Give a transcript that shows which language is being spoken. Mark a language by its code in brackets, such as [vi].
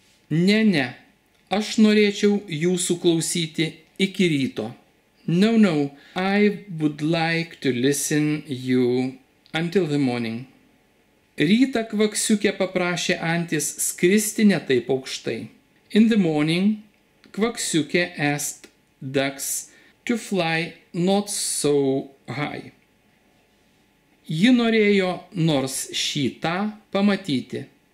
[lt] Ne, ne, aš norėčiau jūsų klausyti iki ryto. [en] No, no, I would like to listen you until the morning. [lt] Rytą kvaksiukė paprašė antis skristi ne taip aukštai. [en] In the morning, kvaksiukė asked ducks to fly not so high. [lt] Ji norėjo nors šį tą pamatyti.